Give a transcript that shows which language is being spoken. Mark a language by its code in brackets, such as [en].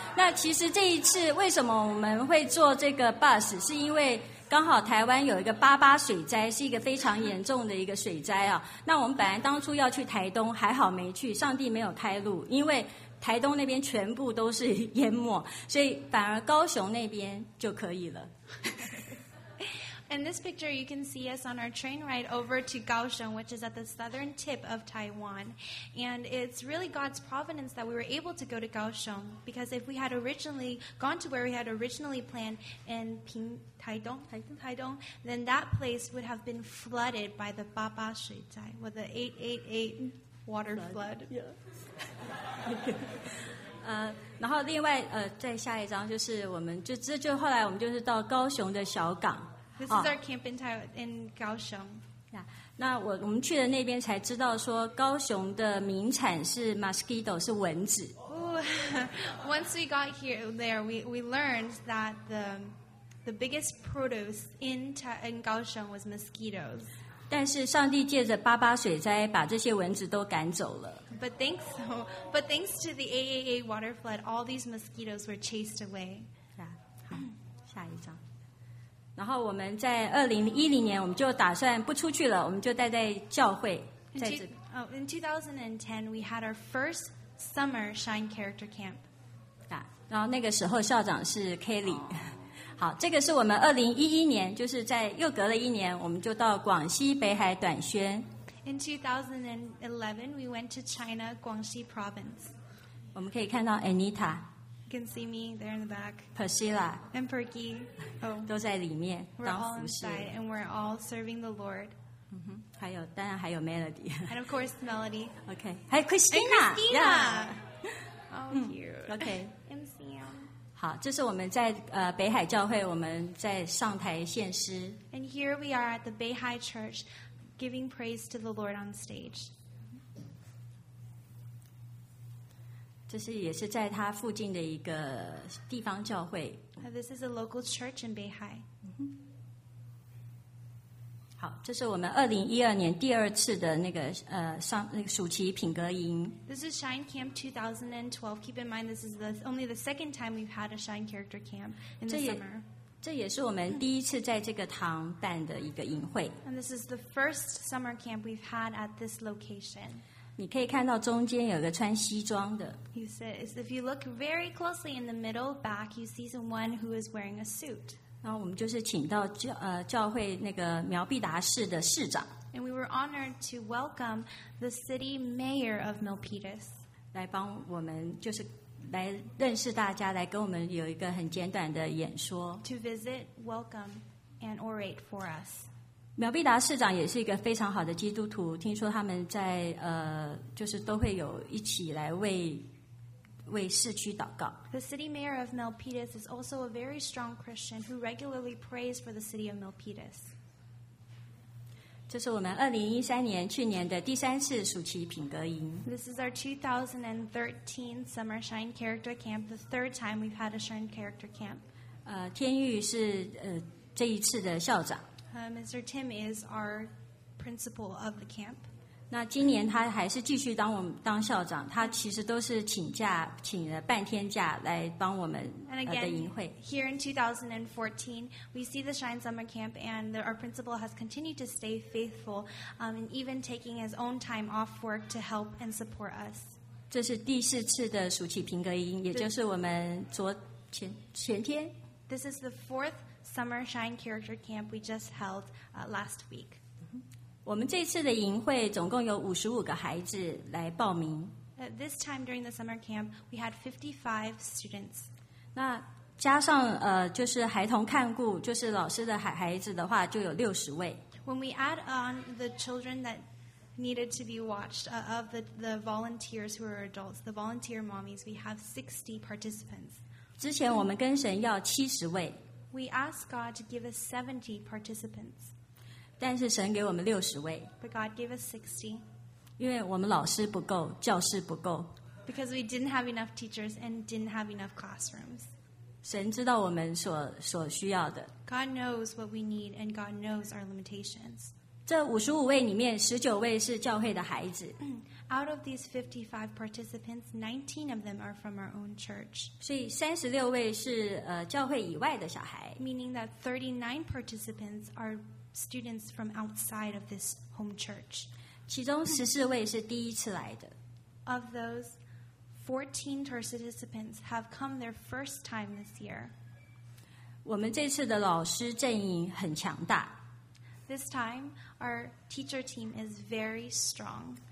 [zh] 那其实这一次为什么我们会坐这个 bus， 是因为刚好台湾有一个88水灾，是一个非常严重的一个水灾啊。那我们本来当初要去台东，还好没去，上帝没有开路，因为台东那边全部都是淹没，所以反而高雄那边就可以了。 [en] In this picture, you can see us on our train ride over to Kaohsiung, which is at the southern tip of Taiwan. And it's really God's providence that we were able to go to Kaohsiung, because if we had originally gone to where we had originally planned in Taidong, then that place would have been flooded by the 88水災, with the 888 water flood. Yeah. [zh] 然后另外再下一张就是我们就这就后来我们就是到高雄的小港。 [en] This is our camp in Kaohsiung. [zh] Yeah. 那我们去了那边才知道说高雄的名产是 mosquito， 是蚊子。 [en] Ooh, once we got here, there, we learned that the biggest produce in Kaohsiung was mosquitoes. [zh] 但是上帝借着88水灾把这些蚊子都赶走了。 [en] But thanks to the AAA water flood, all these mosquitoes were chased away. [zh] Yeah. 好，下一张。然后我们在2010年，我们就打算不出去了，我们就待在教会。 [en] In 2010, we had our first summer Shine Character Camp. [zh] 啊，然后那个时候校长是 Kelly。好，这个是我们2011年，就是在又隔了一年，我们就到广西北海短宣。 [en] In 2011, we went to China, Guangxi Province. [zh] 我们可以看到 Anita。 [en] You can see me there in the back. Priscilla. And Perky. [zh] Oh, 都在里面当服侍。 [en] We're all inside and we're all serving the Lord. [zh] 还有，当然还有 Melody. [en] And of course, Melody. [zh] Okay. 还有 Christina. [en] And Christina. Yeah. Oh, cute. Okay. MCM. [zh] 好，这是我们在北海教会，我们在上台献诗。 [en] And here we are at the Beihai Church giving praise to the Lord on stage. [zh] 这是也是在他附近的一个地方教会。 [en] This is a local church in Beihai. [zh] 好，这是我们2012年第二次的那个暑期品格营。 [en] This is Shine Camp 2012. Keep in mind, this is only the second time we've had a Shine Character Camp in the summer. [zh] 这也是我们第一次在这个堂办的一个营会。 [en] And this is the first summer camp we've had at this location. [zh] 你可以看到中间有个穿西装的。 [en] He says, if you look very closely in the middle back, you see someone who is wearing a suit. [zh] 然后我们就是请到教会那个苗必达市的市长。 [en] And we were honored to welcome the city mayor of Milpitas. [zh] 来帮我们就是。来认识大家，来跟我们有一个很简短的演说。 [en] To visit, welcome, and orate for us. [zh] 苗必达市长也是一个非常好的基督徒，听说他们在就是都会有一起来为市区祷告。 [en] The city mayor of Milpitas is also a very strong Christian who regularly prays for the city of Milpitas. [zh] 这是我们2013年去年的第三次暑期品格营。 [en] This is our 2013 Summer Shine Character Camp, the third time we've had a Shine Character Camp. [zh] 天玉是这一次的校长。 [en] Mr. Tim is our principal of the camp. [zh] 那今年他还是继续当校长，他其实都是请了半天假来帮我们的营会。 [en] And again, here in 2014, we see the Shine Summer Camp, and our principal has continued to stay faithful, and even taking his own time off work to help and support us. [zh] 这是第四次的暑期平格营，也就是我们前天。 [en] This is the fourth Summer Shine Character Camp we just held last week. [zh] 我们这次的营会总共有55个孩子来报名。 [en] This time during the summer camp, we had 55 students. [zh] 那加上就是孩童看顾，就是老师的孩子的话，就有60位。 [en] When we add on the children that needed to be watched, of the volunteers who are adults, the volunteer mommies, we have 60 participants. [zh] 之前我们跟神要70位。 [en] We ask God to give us 70 participants. [zh] 但是神给我们60位。 [en] But God gave us 60. [zh] 因为我们老师不够，教室不够。 [en] Because we didn't have enough teachers and didn't have enough classrooms. [zh] 神知道我们所需要的。 [en] God knows what we need and God knows our limitations. [zh] 这55位里面19位是教会的孩子。 [en] Out of these 55 participants, 19 of them are from our own church. [zh] 所以36位是教会以外的小孩。 [en] Meaning that 39 participants are students from outside of this home church. [zh] 其中14位是第一次来的。 [en] Of those, 14 participants have come their first time this year. [zh] 我们这次的老师阵营很强大。 [en] This time, our teacher team is very strong.